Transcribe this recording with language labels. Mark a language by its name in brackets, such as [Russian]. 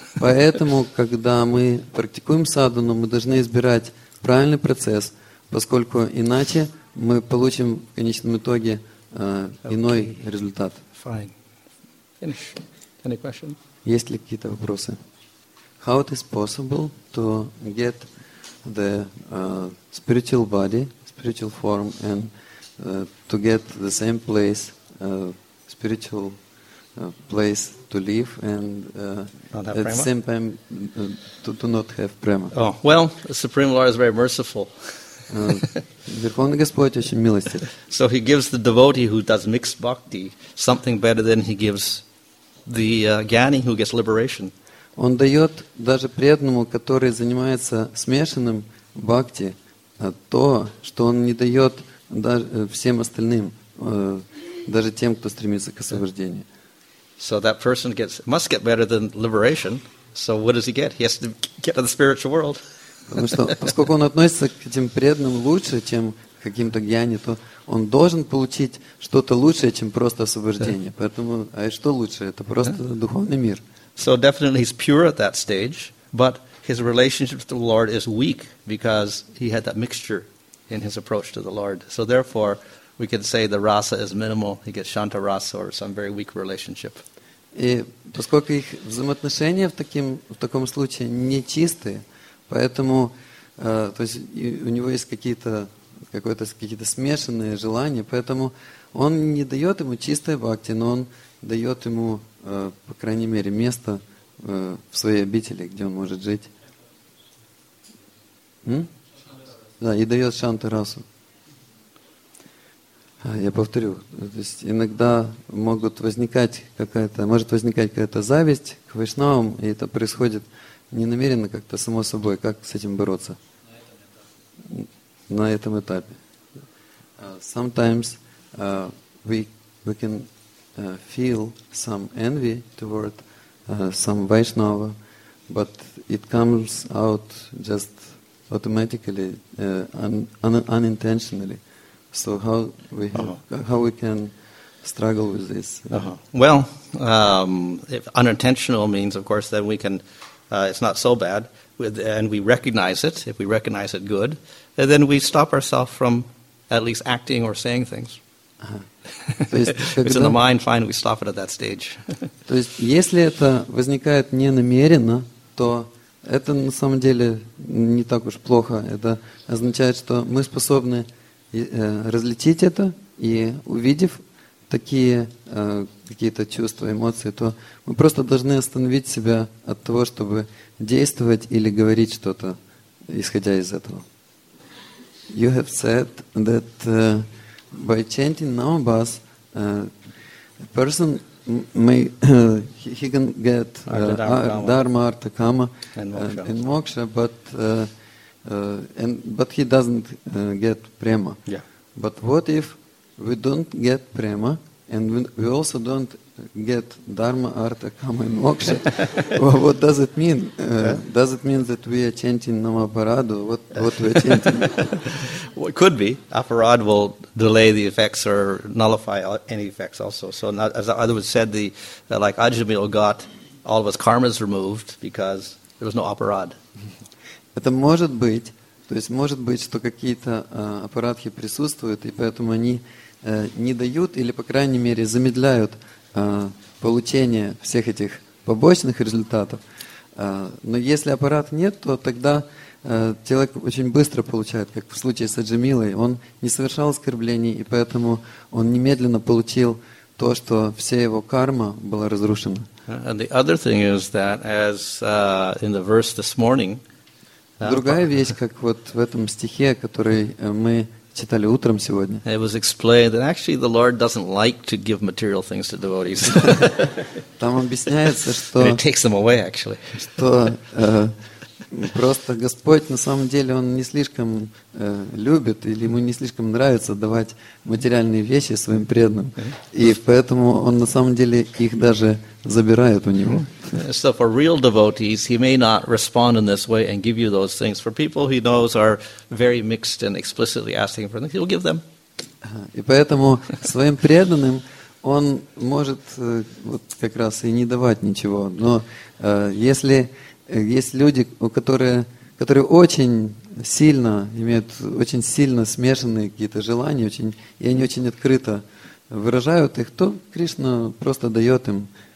[Russian] Поэтому, когда мы практикуем садхану, мы должны избирать правильный процесс, поскольку иначе мы получим в конечном итоге иной результат. [English] Fine. Finish. Any question? [Russian] Есть ли какие-то вопросы? [English] How it is possible to get the spiritual body? Spiritual form and to get the same place, spiritual place to live and at prema? The same time to not have prema. Oh, well, the Supreme Lord is very merciful. [Russian] Верховный Господь очень милостив. [English] So he gives the devotee who does mixed bhakti something better than he gives the gyani who gets liberation. [Russian] Он дает даже преданному, который занимается смешанным бхакти, то, что он не дает даже всем остальным, даже тем, кто стремится к освобождению. [English] So that person gets must get better than liberation. So what does he get? He has to get to the spiritual world. [Russian] Потому что поскольку он относится к этим преданным лучше, чем каким-то гьяни, то он должен получить что-то лучшее, чем просто освобождение. Поэтому, а что лучше? Это просто духовный мир. [English] So definitely he's pure at that stage, but his relationship to the Lord is weak because he had that mixture in his approach to the Lord. So therefore, we can say the rasa is minimal. He gets shanta rasa or some very weak relationship. [Russian] И поскольку их взаимоотношения в таком случае не чистые, поэтому то есть у него есть какие-то смешанные желания, поэтому он не дает ему чистой бхакти, но он дает ему по крайней мере место в своей обители, где он может жить. Да, и дает шанты расу. Я повторю, то есть иногда может возникать какая-то зависть к вайшнавам, и это происходит не намеренно как-то само собой. Как с этим бороться? На этом этапе. [English] Sometimes we can feel some envy toward some Vaishnava, but it comes out just automatically, unintentionally. So how we can struggle with this. Uh-huh. Well, if unintentional means, of course, then we can, it's not so bad, and we recognize it. If we recognize it good, then we stop ourselves from at least acting or saying things. It's in the mind, fine, we stop it at that stage. [Russian] То есть, если это возникает не намеренно, то это на самом деле не так уж плохо. Это означает, что мы способны разлететь это, и увидев такие какие-то чувства, эмоции, то мы просто должны остановить себя от того, чтобы действовать или говорить что-то, исходя из этого. [English] You have said that by chanting Namabhas, a person may he can get dharma, artha, kama, and moksha, but he doesn't get prema. Yeah. But what if we don't get prema and we also don't get dharma, artha, kama, and moksha? Well, what does it mean? Does it mean that we are chanting namaparado? What we are chanting? Well, it could be. Aparad will delay the effects or nullify any effects also. So not, as other words said, like Ajamil got all of his karmas removed because there was no aparad. [Russian] Это может быть. То есть может быть, что какие-то аппаратхи присутствуют, и поэтому они не дают или, по крайней мере, замедляют получение всех этих побочных результатов. Но если аппарат нет, то тогда человек очень быстро получает, как в случае с Аджамилой. Он не совершал оскорблений, и поэтому он немедленно получил то, что вся его карма была разрушена. [English] And the other thing is that as in the verse this morning, [Russian] другая вещь, как вот в этом стихе, который мы читали утром сегодня. [English] It was explained that actually the Lord doesn't like to give material things to devotees. [Russian] Там объясняется, что [English] it takes them away, actually. [Russian] Что просто Господь на самом деле он не слишком любит или ему не слишком нравится давать материальные вещи своим преданным, и поэтому он на самом деле их даже забирает у него. [English] So for real devotees, he may not respond in this way and give you those things. For people he knows are very mixed and explicitly asking for them, he'll give them. [Russian] И поэтому своим преданным он может вот как раз и не давать ничего. Но если есть люди, которые очень сильно имеют очень сильно смешанные какие-то желания, очень, и они очень открыто выражают их, то Кришна просто дает им.